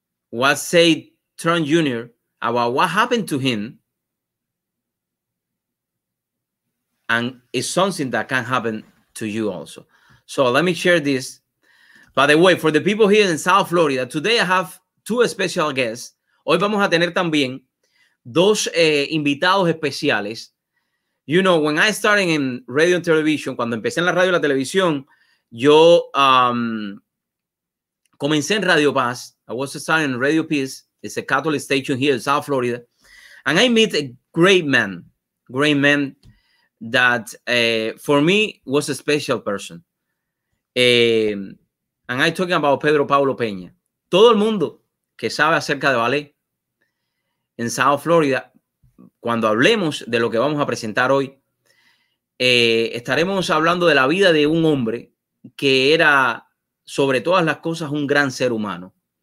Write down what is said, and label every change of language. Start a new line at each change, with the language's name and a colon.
English: What say Trump Jr. about what happened to him, and it's something that can happen to you also. So let me share this. By the way, for the people here in South Florida, today I have two special guests.
Spanish: Hoy vamos a tener también dos invitados especiales.
English: You know, when I started in radio and television,
Spanish: cuando empecé en la radio y la televisión, yo comencé en Radio Paz.
English: I was starting in Radio Peace. It's a Catholic station here in South Florida. And I meet a great man that for me was a special person. And I'm talking about Pedro Paulo Peña.
Spanish: Todo el mundo que sabe acerca de ballet en South Florida, cuando hablemos de lo que vamos a presentar hoy, estaremos hablando de la vida de un hombre que era, sobre todas las cosas, un gran ser humano.